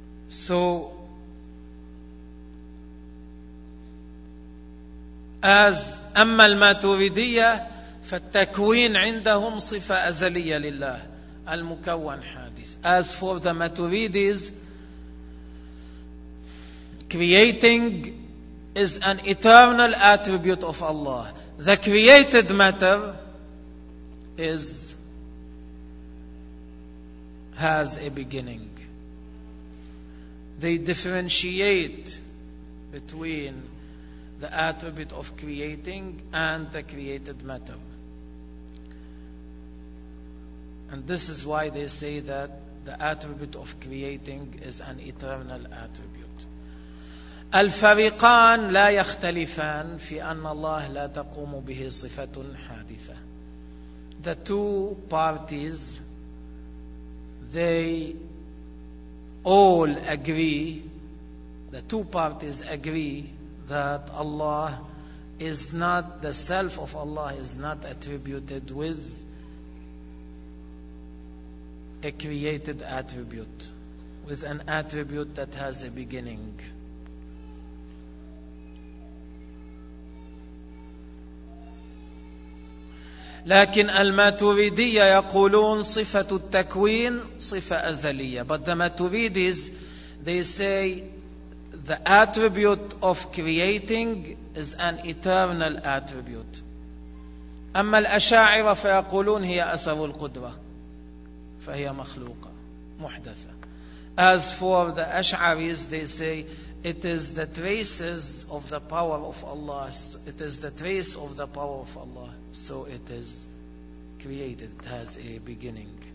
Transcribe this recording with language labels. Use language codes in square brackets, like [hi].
[ar] So, as أما الماتوريدية فالتكوين عندهم صفة أزلية لله المكون حادث. [en] As for the Maturidis, creating is an eternal attribute of Allah. The created matter has a beginning. They differentiate between the attribute of creating and the created matter. And this is why they say that the attribute of creating is an eternal attribute. [ar] الفريقان لا يختلفان في أن الله لا تقوم به صفة حادثة. [en] The two parties, they all agree, the two parties agree that Allah is not, the self of Allah is not attributed with a created attribute, with an attribute that has a beginning. [ar] لكن الماتوريدية يقولون صفة التكوين صفة أزلية. [en] But the Maturidis, they say the attribute of creating is an eternal attribute. [ar] أما الأشاعرة فيقولون هي أثر القدرة فهي مخلوقة محدثة. [en] As for the Ash'aris, they say it is the traces of the power of Allah. It is the trace of the power of Allah. So it is created. It has a beginning.